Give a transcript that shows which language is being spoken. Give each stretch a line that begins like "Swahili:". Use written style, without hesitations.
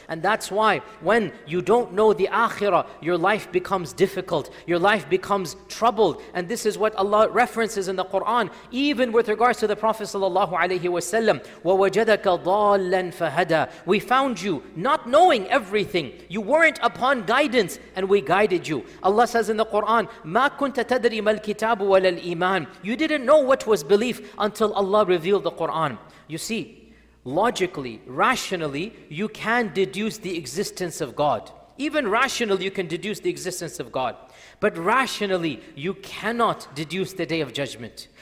English: And that's why when you don't know the akhirah, your life becomes difficult, your life becomes troubled. And this is what Allah references in the Quran, even with regards to the Prophet sallallahu alayhi wa sallam,
Arabic: وَوَجَدَكَ ضَالًا فَهَدَى.
English: We found you not knowing everything. You weren't upon guidance, and we guided you. Allah says in the Quran,
Arabic: مَا كُنْتَ تَدْرِي مَا الْكِتَابُ وَلَا الْإِيمَانِ.
English: You didn't know what was belief until Allah revealed the Quran. You see, logically, rationally, you can deduce the existence of God. Even rationally, you can deduce the existence of God. But rationally, you cannot deduce the Day of Judgment.